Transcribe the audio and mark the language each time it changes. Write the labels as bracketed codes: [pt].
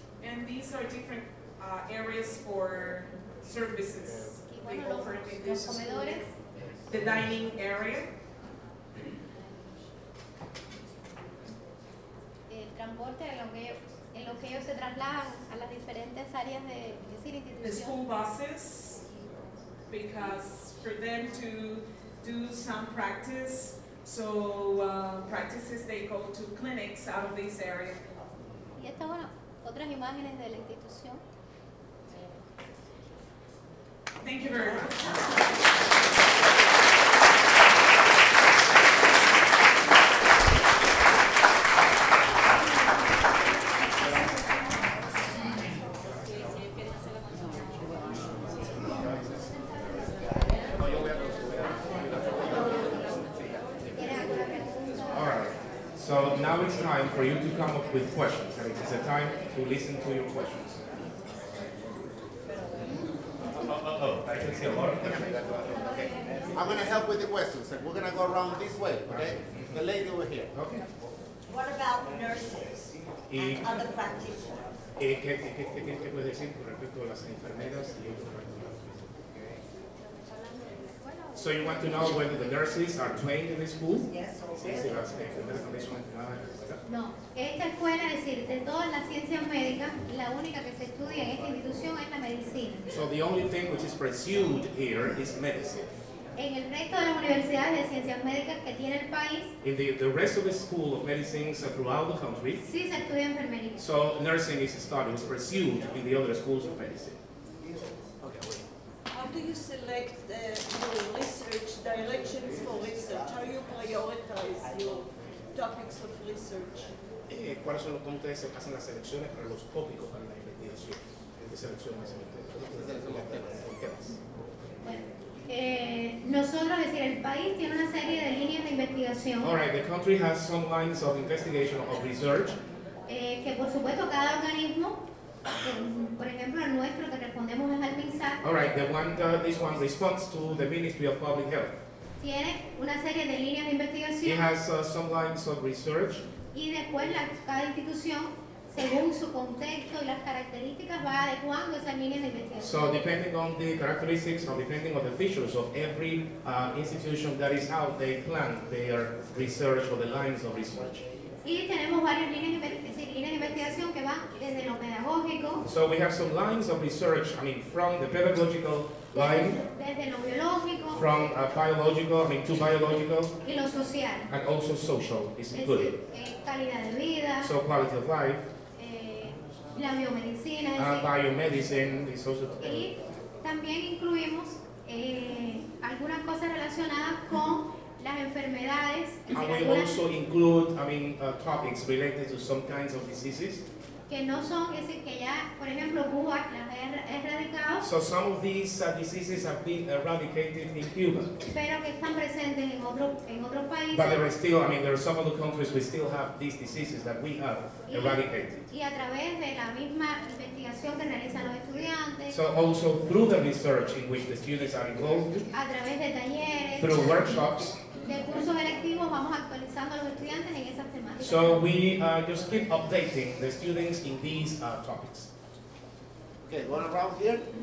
[en] And these are different areas for services. Bueno, they offer [es] los comedores. [en] The dining area. [es] El transporte en lo que ellos se trasladan a las diferentes áreas de institución. [en] The school buses, because for them to do some practice, so practices they go to clinics out of this area. [es] Y estas bueno, otras imágenes de la institución. [en] Thank you very much. For you to come up with questions, and it is a time to listen to your questions. I can see a lot of questions. Okay. I'm going to help with the questions, and we're going to go around this way, okay? Mm-hmm. The lady over here. Okay. What about nurses and other practitioners? [es] ¿Qué te puedes decir con respecto a las enfermeras y otros practitioners? [en] So you want to know whether the nurses are trained in the school? Yes, [es] okay. Sí, sí, no, esta escuela, es decir, de todas las ciencias médicas, la única que se estudia en esta institución es la medicina. [en] So the only thing which is pursued here is medicine. [es] En el resto de las universidades de ciencias médicas que tiene el país, [en] in the rest of the school of medicine throughout the country, [es] sí se estudia enfermería. [en] So nursing is studied, it's pursued in the other schools of medicine. How do you select your research directions for research? How do you prioritize your topics of research? [es] ¿Cuáles son cómo ustedes se hacen las selecciones para los tópicos para la investigación? ¿Qué seleccionan los temas? Nosotros, es decir, el país tiene una serie de líneas de investigación. [en] All right, the country has some lines of investigation of research. [es] Que por supuesto cada organismo. Por ejemplo, el nuestro que respondemos es al MINSAC. [en] All right, this one responds to the Ministry of Public Health. [es] Tiene una serie de líneas de investigación. [en] It has some lines of research. [es] Y después cada institución, según su contexto y las características, va adecuando esas líneas de investigación. [en] So depending on the characteristics or depending on the features of every institution, that is how they plan their research or the lines of research. [es] Y tenemos varias líneas de investigación que van desde lo pedagógico. [en] So we have some lines of research, I mean, from the pedagogical line. [es] Desde lo biológico. [en] From biological, I mean, to biological. [es] Y lo social. [en] And also social is included. [es] Calidad de vida. [en] So quality of life. [es] La biomedicina. [en] Biomedicine is also. [es] Y también incluimos algunas cosas relacionadas con las enfermedades, [en] and we also include, I mean, topics related to some kinds of diseases. [es] Que no son, es decir, que ya, por ejemplo, Cuba las ha erradicado. [en] So some of these diseases have been eradicated in Cuba. [es] Pero que están presentes en otros países. [en] But there are still, I mean, there are some of the countries we still have these diseases that we have eradicated. [es] Y a través de la misma investigación que realizan los estudiantes. [en] So also through the research in which the students are involved. [es] A través de talleres. [en] Through workshops. [es] De cursos electivos vamos actualizando a los estudiantes en esas temáticas. [en] So we just keep updating the students in these topics. Okay, one around here.